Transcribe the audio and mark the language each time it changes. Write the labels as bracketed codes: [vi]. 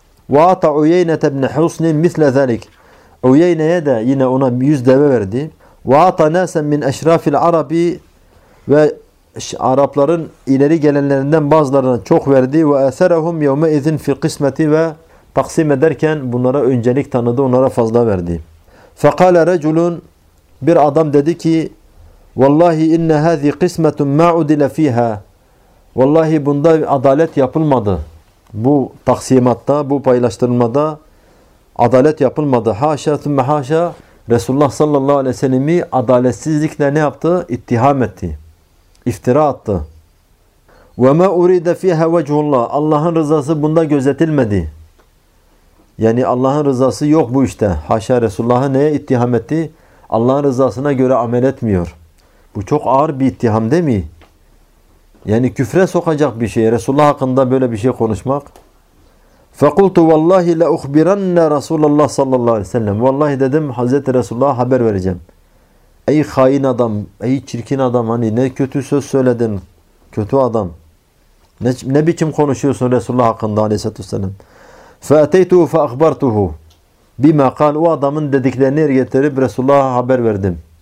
[ar] وَاَتَى عُيَيْنَةَ ابْنَ حُسْنٍ مِثْلَ ذَلِكَ [tr] Uyeyne'ye de yine ona 100 deve verdi. [ar] وَاَتَى نَاسًا مِنْ اَشْرَافِ الْعَرَبِ [tr] Ve Arapların ileri gelenlerinden bazılarına çok verdi. [ar] وَاَثَرَهُمْ يَوْمَئِذٍ فِي الْقِسْمَةِ [tr] ve taksim ederken bunlara öncelik tanıdı, onlara fazla verdi. [ar] فَقَالَ رَجُلٌ [tr] Bir adam dedi ki [ar] وَاللّٰهِ اِنَّ هَذِي قِسْمَةٌ مَا عُدِلَ ف۪يهَا [tr] Vallahi bunda adalet yapılmadı. bu taksimatta, bu paylaştırılmada adalet yapılmadı. Haşa thumme haşa, Resulullah sallallahu aleyhi ve sellem'i adaletsizlikle ne yaptı? İttiham etti. İftira attı. [ar] وَمَا اُرِيدَ فِيهَا وَجْهُ اللّٰهِ [tr] Allah'ın rızası bunda gözetilmedi. Yani Allah'ın rızası yok bu işte. Haşa, Resulullah'ı neye ittiham etti? Allah'ın rızasına göre amel etmiyor. Bu çok ağır bir ittiham değil mi? Yani küfre sokacak bir şey. Resulullah hakkında böyle bir şey konuşmak. [ar] فَقُلْتُ وَاللّٰهِ لَاُخْبِرَنَّ رَسُولَ اللّٰهِ صَلَّى اللّٰهِ عَلَيْهِ وَسَلَّمُ [tr] Vallahi dedim, Hazreti Resulullah'a haber vereceğim. Ey hain adam, ey çirkin adam, hani ne kötü söz söyledin, kötü adam. Ne biçim konuşuyorsun Resulullah hakkında aleyhissalatü vesselam? [ar] فَاَتَيْتُهُ فَاَخْبَرْتُهُ بِمَا قَالْ [tr] O adamın dediklerini yer getirip Resulullah'a haber verdim.